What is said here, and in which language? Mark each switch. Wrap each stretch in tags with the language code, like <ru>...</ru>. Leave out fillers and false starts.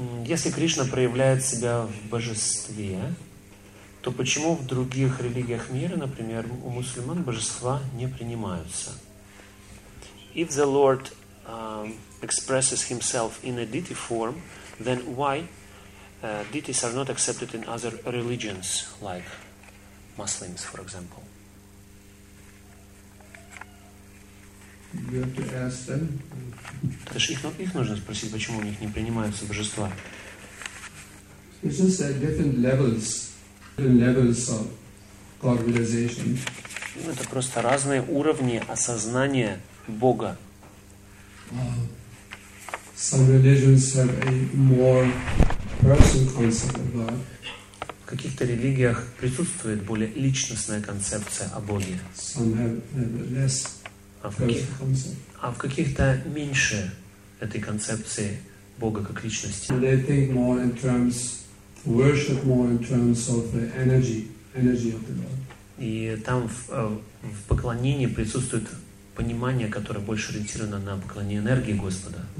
<ru>Если Кришна проявляет себя в божестве, то почему в других религиях мира, например, у мусульман божества не принимаются?</ru> <en>If the Lord expresses himself in a deity form, then why deities are not accepted in other religions, like Muslims, for example? You have to ask them.</en> <ru>Это же их нужно спросить, почему у них не принимаются божества.</ru> <en>It's just that different levels of God realization.</en> <ru>Это просто разные уровни осознания Бога.</ru> <en>Some religions have a more personal concept of God.</en> <ru>В каких-то религиях присутствует более личностная концепция о Боге.</ru> <en>Some have less personal concept.</en> <ru>А в каких-то меньше этой концепции Бога как личности.</ru> <en>And they think more in terms worship more in terms of the energy of the God.</en> <ru>И там в поклонении присутствует понимание, которое больше ориентировано на поклонение энергии Господа.</ru>